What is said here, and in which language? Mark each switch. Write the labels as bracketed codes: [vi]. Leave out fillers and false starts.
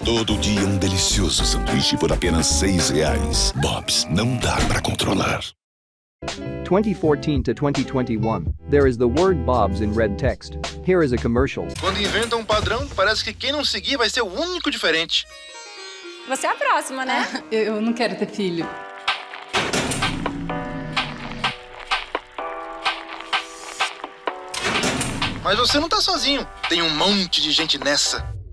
[pt] Todo dia um delicioso sanduíche por apenas R$6. Bob's, não dá pra controlar. [en] 2014 to 2021, there is the word Bob's in red text. Here is a commercial. [pt] Quando inventam um padrão, parece que quem não seguir vai ser o único diferente. Você é a próxima, né? Eu não quero ter filho. Mas você não tá sozinho. Tem um monte de gente nessa.